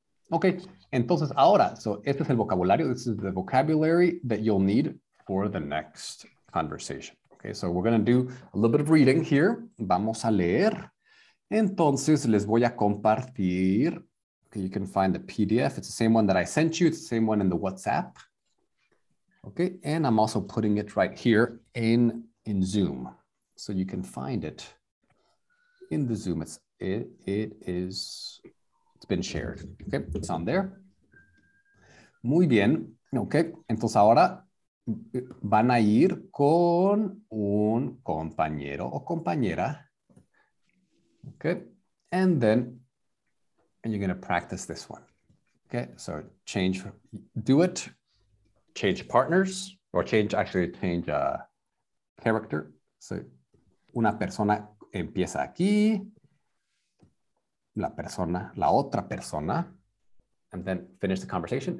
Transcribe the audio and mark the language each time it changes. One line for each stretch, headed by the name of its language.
Spanish: Okay, entonces ahora,
English: so
Spanish: este es el vocabulario.
English: This is the vocabulary that you'll need for the next conversation. Okay, so we're going to do a little bit of reading here.
Spanish: Vamos a leer. Entonces les voy a compartir.
English: Okay, you can find the PDF. It's the same one that I sent you. It's the same one in the WhatsApp. Okay, and I'm also putting it right here in Zoom. So you can find it in the Zoom. It's been shared. Okay, it's on there.
Spanish: Muy bien.
English: Okay,
Spanish: entonces ahora van a ir con un compañero o compañera.
English: Okay, and you're going to practice this one. Okay, so change character.
Spanish: So una persona empieza aquí, la otra persona,
English: and then finish the conversation.